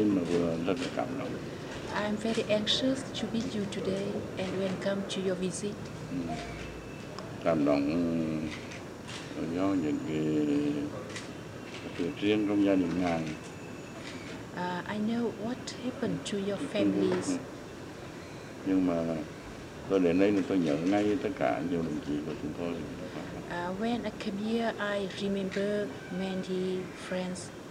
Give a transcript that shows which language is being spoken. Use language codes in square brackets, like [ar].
[en] I'm very anxious to meet you today and welcome to your visit. [vi] Cảm động do những cái riêng trong gia đình ngài. [en] I know what happened to your families. [vi] Nhưng mà tôi đến đây tôi nhớ ngay tất cả nhiều đồng chí của chúng tôi. [en] When I came here, I remember many friends.